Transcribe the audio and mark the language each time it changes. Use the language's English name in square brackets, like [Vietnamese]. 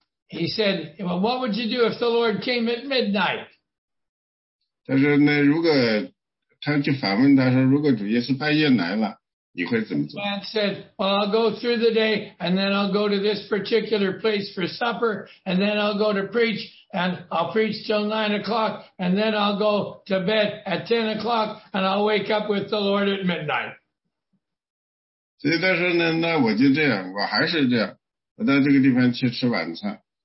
[English] He said, well, what would you do if the Lord came at midnight? [Chinese] 他说呢，如果他就反问他说，如果主耶稣半夜来了，你会怎么做？ [English] The man said, well, I'll go through the day, and then I'll go to this particular place for supper, and then I'll go to preach, and I'll preach till 9 o'clock, and then I'll go to bed at 10 o'clock, and I'll wake up with the Lord at midnight. [Chinese] 所以他说呢，那我就这样，我还是这样，我到这个地方去吃晚餐。